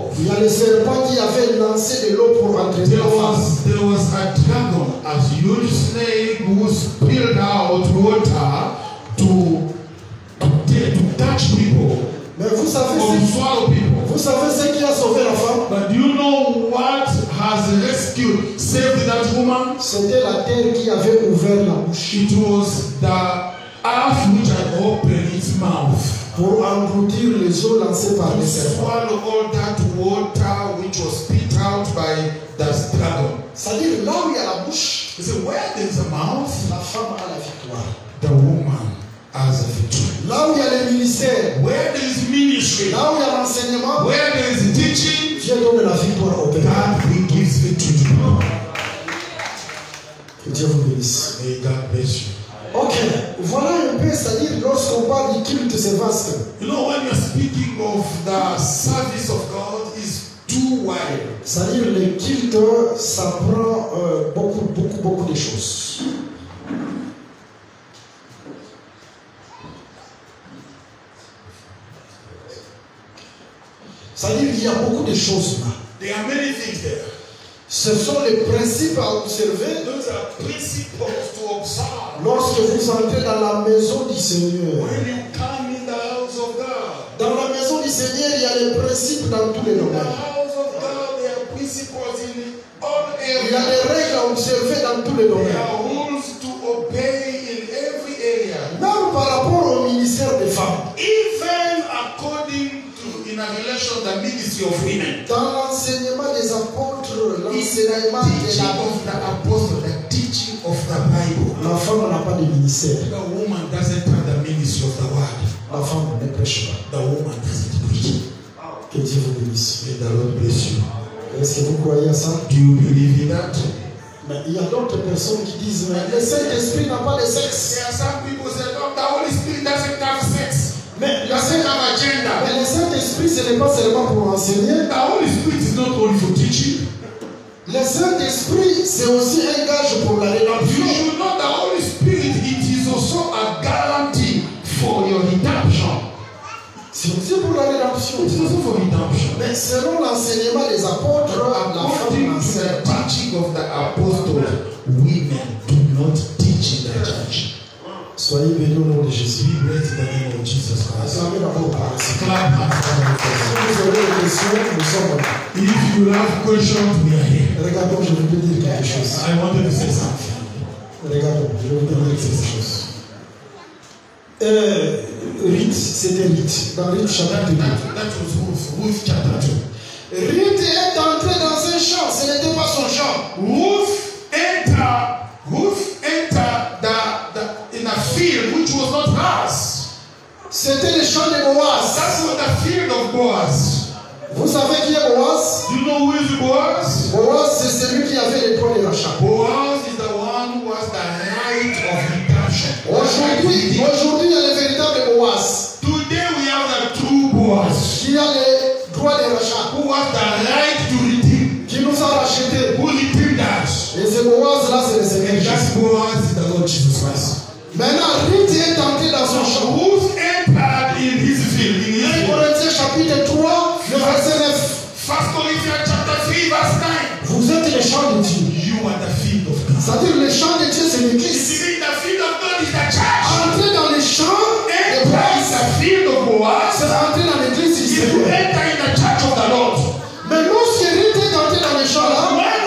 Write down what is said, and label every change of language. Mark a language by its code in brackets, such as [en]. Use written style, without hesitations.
[fr] il y a les serpents qui avaient lancé de l'eau pour entrer. [en] There was a dragon, a huge snake who spilled out water to touch people. [fr] Mais vous savez, [en] or swallow people. [fr] Vous savez ce qui a sauvé la femme? [en] But do you know what has rescued, saved that woman? [fr] C'était la terre qui avait ouvert la bouche. [en] It was the earth which had opened its mouth. [fr] Pour engloutir les eaux lancées par les serpents. [en] Swallow all that water which was spit out by the dragon. [fr] C'est-à-dire là où il y a la bouche. [en] Said, where there's a mouth, [fr] la femme a la victoire. [en] The woman has a victory. [fr] Là où il y a le ministère. [en] Where there is ministry. [fr] Là où il y a l'enseignement. [en] Where there is teaching. [fr] Dieu donne la victoire au [en] père. God gives victory to you. [fr] Que Dieu vous bénisse. [en] May God bless you. [fr] Ok, voilà un peu, c'est-à-dire lorsqu'on parle du culte, c'est vaste. [en] You know, when you're speaking of the service of God, it's too wide. [fr] C'est-à-dire le culte, ça prend beaucoup, beaucoup, beaucoup de choses. C'est-à-dire qu'il y a beaucoup de choses là. [en] There are many things there. [fr] Ce sont les principes à observer. [en] Those are principles to observe. [fr] Lorsque vous entrez dans la maison du Seigneur. [en] When you come in the house of God. [fr] Dans la maison du Seigneur, il y a les principes dans tous les domaines. [en] In the house of God, there are principles in all areas. [fr] Il y a des règles à observer dans tous les domaines. [en] There are rules to obey in every area. [fr] Même par rapport au ministère des femmes. [en] Even according to in a relation the ministry of women. [fr] Dans l'enseignement des apôtres, l'enseignement des apôtres, [en] the apostles. Of the Bible. [fr] La femme n'a pas de ministère. [en] The woman doesn't have the ministry of the word. [fr] La femme ne prêche pas. [en] The woman doesn't preach. [fr] Que Dieu vous bénisse. [en] May the Lord bless you. [fr] Est-ce que vous croyez à ça? [en] Do you believe in that? [fr] Mais il y a d'autres personnes qui disent mais le Saint-Esprit n'a pas de sexe. [en] There are some people say no, the Holy Spirit doesn't have sex. [fr] Mais la Saint have agenda. Mais le Saint-Esprit ce n'est pas seulement pour enseigner. [en] The Holy Spirit is not only for teaching. [fr] Le Saint-Esprit, c'est aussi un gage pour la rédemption. [en] You should know the Holy Spirit, it is also a guarantee for your redemption. [fr] C'est aussi pour la rédemption. [en] It is also for redemption. [fr] Mais selon l'enseignement des apôtres, [en] and [fr] la femme [en] the teaching of the apostles, women do not teach in the church. [fr] Soyez bénis au nom de Jésus. [en] Be blessed in the name of Jesus Christ. Amen. Clap hands. Clap hands. [fr] Si vous avez une question, nous sommes là. [en] If you have questions, we are here. [fr] Regardons, je veux dire quelque chose. [en] I wanted to say something. [fr] Regardons, je veux dire quelque chose. Rite, c'était Rite. Dans Rite, chapitre 2. [en] That was Ruth. Ruth, chapter 2. [fr] Rite est entré dans un champ, ce n'était pas son champ. [en] Ruth, enter. Ruth, enter in a field which was not hers. [fr] C'était le champ de Boaz. [en] That was the field of Boaz. [fr] Vous savez qui est Boaz? [en] Do you know who is Boaz? [fr] Boaz, c'est celui qui avait les premiers achats. [en] Boaz is the one who has the right of redemption. [fr] Aujourd'hui, il y a le véritable Boaz. [en] Today we have the true Boaz. [fr] Qui a le droit de rachat. [en] Who has the right to redeem. [fr] Qui nous a racheté. [en] Who redeemed us. [fr] Et c'est Boaz là, c'est le Seigneur. [en] And that's Boaz is the Lord Jesus Christ. [fr] Maintenant, Ruth est entré dans son champ. [en] Ruth entered in his field. In [fr] 1 Corinthiens chapitre 3. Verset 9. [en] 1 Corinthians chapter 3, verse 9. [fr] Vous êtes le champ de Dieu. [en] You are the field of God. [fr] C'est-à-dire le champ de Dieu, c'est l'Église. [en] The field of God is the church. [fr] Entrer dans le champ de Christ, [en] the field of God, [fr] c'est entrer dans l'Église. [en] If you enter in the church of the Lord. [fr] Mais lorsque Ruth est entré dans le champ là.